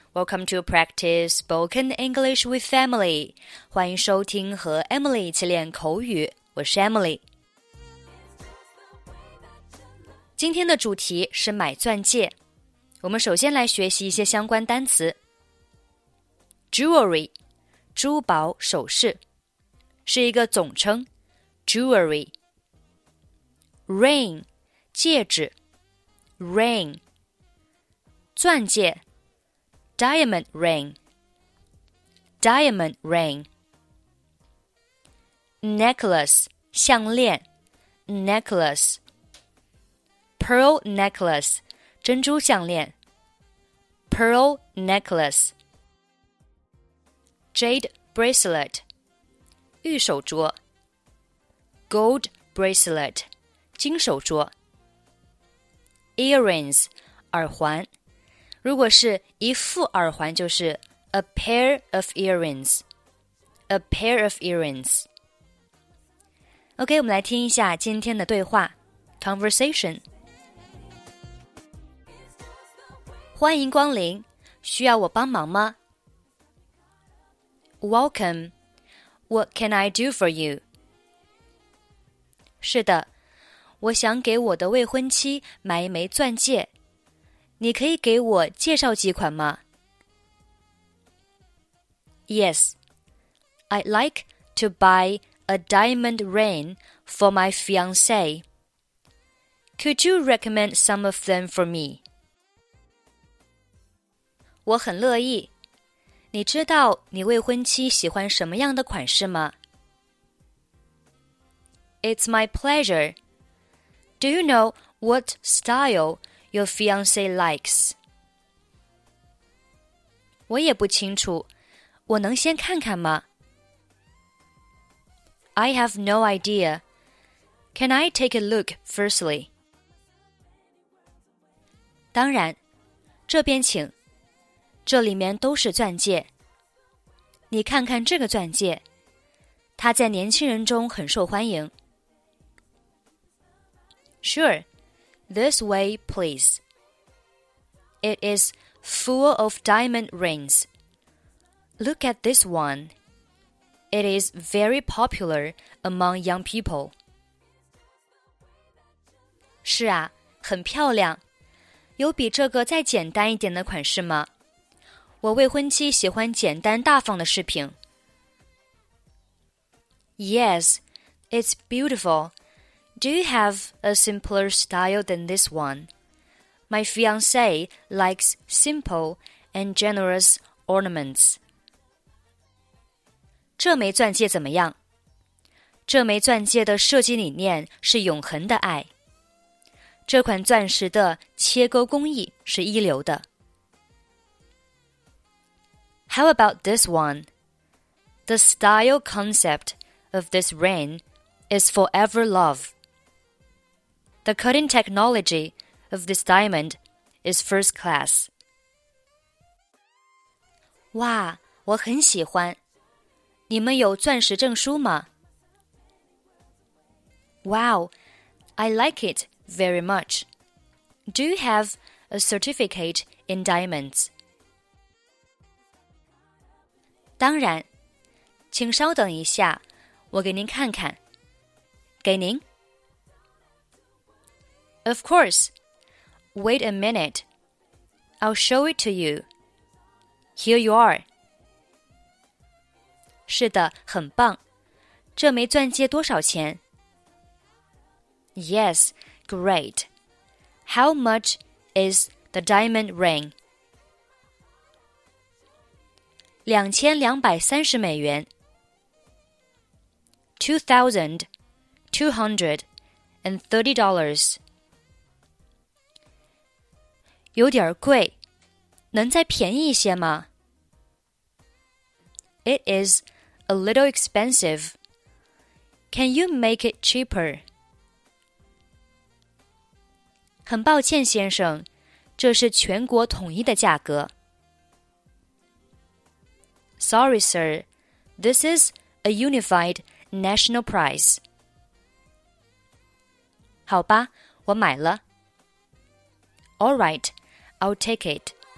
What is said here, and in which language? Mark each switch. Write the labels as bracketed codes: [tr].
[en] Welcome to Practice Spoken English with Emily. [zh] 欢迎收听和 Emily 一起练口语。我是 Emily。今天的主题是买钻戒。我们首先来学习一些相关单词。Jewelry, 珠宝首饰是一个总称 Jewelry。 [en] Ring, [zh] 戒指 [en] Ring。 [zh] 钻戒 [en] Diamond ring Diamond ring Necklace [zh] 项链 [en] Necklace Pearl necklace [zh] 珍珠项链 [en] Pearl necklace Jade bracelet [zh] 玉手镯 [en] Gold bracelet [zh] 金手镯 [en] Earrings [zh] 耳环如果是一副耳环就是 [en] a pair of earrings, a pair of earrings. [zh] OK, 我们来听一下今天的对话 conversation. 欢迎光临，需要我帮忙吗？ [en] Welcome, what can I do for you? [zh] 是的，我想给我的未婚妻买一枚钻戒。你可以给我介绍几款吗? [en] Yes, I'd like to buy a diamond ring for my fiancé. Could you recommend some of them for me? [zh] 我很乐意。你知道你未婚妻喜欢什么样的款式吗? [en] It's my pleasure. Do you know what style? Your fiancé likes. [zh] 我也不清楚，我能先看看吗? [en] I have no idea. Can I take a look firstly? [zh] 当然，这边请。这里面都是钻戒。你看看这个钻戒，它在年轻人中很受欢迎。 [en] Sure. This way, please. It is full of diamond rings. Look at this one. It is very popular among young people. [zh] 是啊，很漂亮。有比这个再简单一点的款式吗？我未婚妻喜欢简单大方的饰品。 [en] Yes, it's beautiful. Do you have a simpler style than this one? My fiancé likes simple and generous ornaments. [zh] 这枚钻戒怎么样？这枚钻戒的设计理念是永恒的爱。这款钻石的切割工艺是一流的。 [en] How about this one? The style concept of this ring is forever love. The cutting technology of this diamond is first class. [zh] 哇，我很喜欢。你们有钻石证书吗? [en] Wow, I like it very much. Do you have a certificate in diamonds? [zh] 当然，请稍等一下，我给您看看。给您。 [en] Of course. Wait a minute. I'll show it to you. Here you are. [zh] 是的，很棒。这枚钻戒多少钱? [en] Yes, great. How much is the diamond ring? [zh] 2230美元。 [en] $2,230. [zh] 有点贵，能再便宜一些吗? [en] It is a little expensive. Can you make it cheaper? [zh] 很抱歉先生，这是全国统一的价格。 [en] Sorry, sir. This is a unified national price. [zh] 好吧，我买了。 [en] All right.I'll take it.